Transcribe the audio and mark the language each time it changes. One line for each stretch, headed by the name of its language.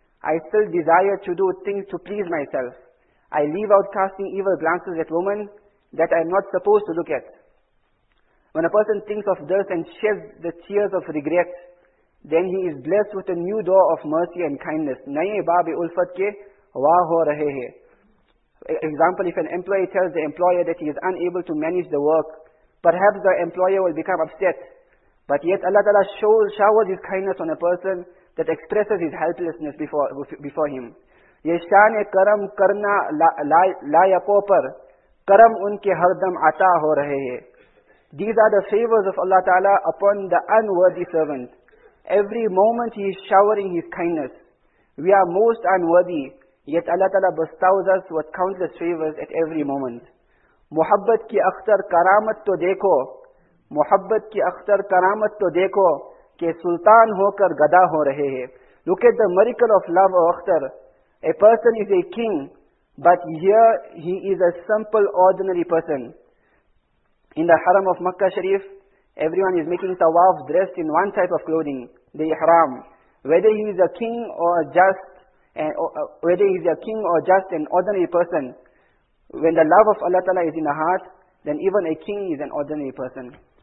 English: I still desire to do things to please myself. I leave out casting evil glances at women that I am not supposed to look at. When a person thinks of this and sheds the tears of regret, then he is blessed with a new door of mercy and kindness.
Urdu: نئے باب الفت کے واہ ہو رہے ہیں.
English: Example, if an employee tells the employer that he is unable to manage the work, perhaps the employer will become upset. But yet Allah Ta'ala showers his kindness on a person that expresses his helplessness before him.
Urdu: یہ شان کرم کرنا لائقوں پر کرم ان کے ہر دم عطا ہو رہے ہیں.
English: These are the favors of Allah Ta'ala upon the unworthy servant. Every moment He is showering His kindness. We are most unworthy, yet Allah Ta'ala bestows us with countless favors at every moment.
Urdu: محبت کی اختر کرامت تو دیکھو, محبت کی اختر کرامت تو دیکھو کہ سلطان ہو کر گدا ہو رہے ہیں.
English: Look at the miracle of love, O Akhtar. A person is a king, but here he is a simple, ordinary person. In the Haram of Makkah Sharif, Everyone is making tawaf dressed in one type of clothing, the ihram. Whether he is a king or just, whether he is a king or just an ordinary person, when the love of Allah Ta'ala is in the heart, then even a king is an ordinary person.